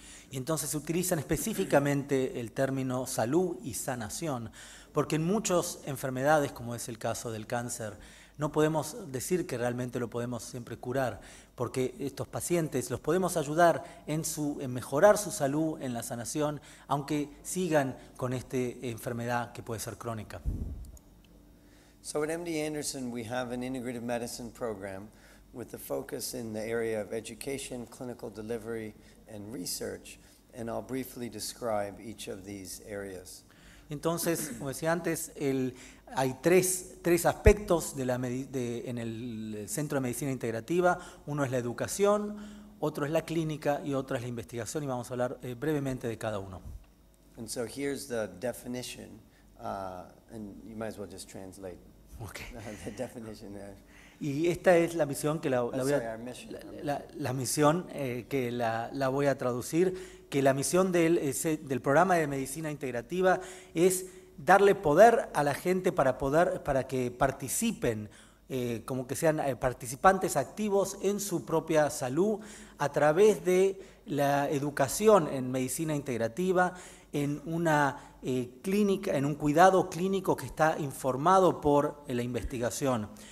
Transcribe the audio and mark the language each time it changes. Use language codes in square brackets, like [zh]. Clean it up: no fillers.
[es] Y entonces utilizan específicamente el término salud y sanación porque en muchas enfermedades como es el caso del cáncer no podemos decir que realmente lo podemos siempre curar porque estos pacientes los podemos ayudar en mejorar su salud en la sanación aunque sigan con esta enfermedad que puede ser crónica. [en] So at MD Anderson we have an integrative medicine program with a focus in the area of education, clinical delivery and research and I'll briefly describe each of these areas. [es] Entonces, como decía antes, hay tres aspectos en el Centro de Medicina Integrativa. Uno es la educación, otro es la clínica y otro es la investigación. Y vamos a hablar brevemente de cada uno. [en] And so here's the definition, and you might as well just translate. Okay. The definition there. [es] Y esta es la misión que la voy a traducir, que la misión del programa de medicina integrativa es darle poder a la gente para que participen, como que sean participantes activos en su propia salud a través de la educación en medicina integrativa, en una clínica, en un cuidado clínico que está informado por la investigación.